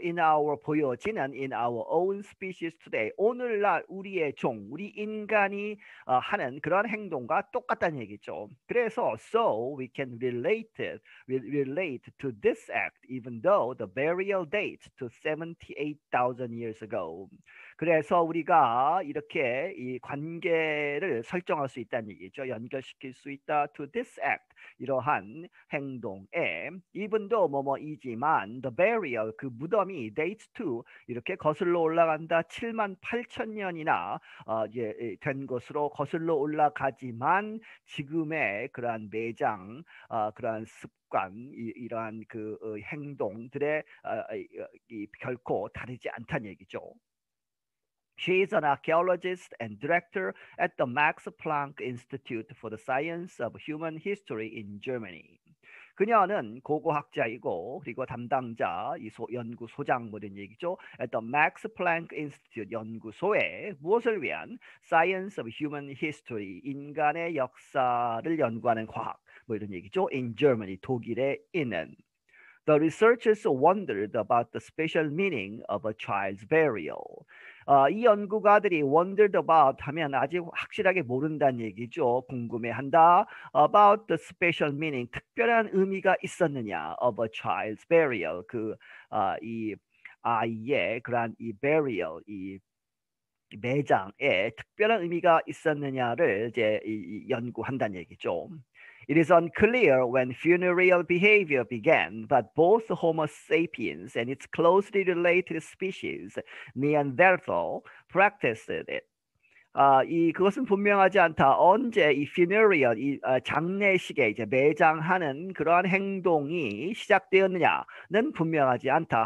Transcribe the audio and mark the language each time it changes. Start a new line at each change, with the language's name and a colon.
English: In our
Korean: 보여지는
English: in our own species today
Korean: 오늘날 우리의 종 우리 인간이 하는 그러한 행동과 똑같다는 얘기죠. 그래서
English: so we can relate to this act even though the burial date to 78,000 years ago.
Korean: 그래서 우리가 이렇게 이 관계를 설정할 수 있다는 얘기죠. 연결시킬 수 있다.
English: To this act,
Korean: 이러한 행동에,
English: even though
Korean: 뭐뭐이지만,
English: the burial,
Korean: 그 무덤이
English: dates to,
Korean: 이렇게 거슬러 올라간다. 7만 8천 년이나 된 것으로 거슬러 올라가지만, 지금의 그러한 매장, 그러한 습관, 이러한 그 행동들에 결코 다르지 않다는 얘기죠.
English: She is an archaeologist and director at the Max Planck Institute for the Science of Human History in Germany.
Korean: 그녀는 고고학자이고 그리고 담당자, 연구소장 뭐든 얘기죠. At the Max Planck Institute 연구소에 무엇을 위한 Science of Human History 인간의 역사를 연구하는 과학 뭐 이런 얘기죠.
English: In Germany
Korean: 독일에 있는
English: The researchers wondered about the special meaning of a child's burial.
Korean: 이 연구가들이
English: wondered about
Korean: 하면 아직 확실하게 모른다는 얘기죠. 궁금해한다.
English: About the special meaning,
Korean: 특별한 의미가 있었느냐?
English: Of a child's burial,
Korean: 그이 아이의 그러한 이 burial, 이 매장에 특별한 의미가 있었느냐를 이제 연구한다는 얘기죠.
English: It is unclear when funereal behavior began, but both Homo sapiens and its closely related species, Neanderthal, practiced it.
Korean: 그것은 분명하지 않다. 언제 이 funereal, 장례식에 이제 매장하는 그러한 행동이 시작되었느냐는 분명하지 않다.